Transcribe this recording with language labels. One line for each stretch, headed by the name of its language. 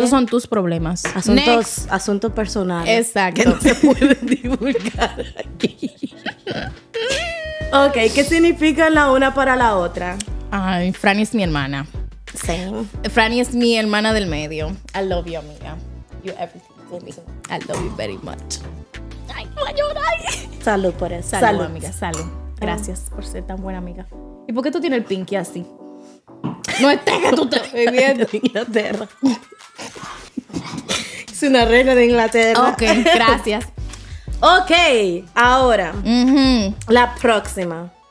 Spanish: Esos son tus problemas. Asuntos, asuntos personales. Exacto. Que no se pueden divulgar aquí. Ok, ¿qué significa la una para la otra? Ay, Franny es mi hermana. Sí. Franny es mi hermana del medio.
English: I love you, amiga. You everything to me. I love you very much.
Spanish: Ay, voy a llorar. Salud por eso. Salud, salud, amiga, salud. Gracias por ser tan buena amiga. ¿Y por qué tú tienes el pinky así? No está que tú estás viviendo en Inglaterra. Es una reina de Inglaterra. Ok, gracias. Ok, ahora la próxima.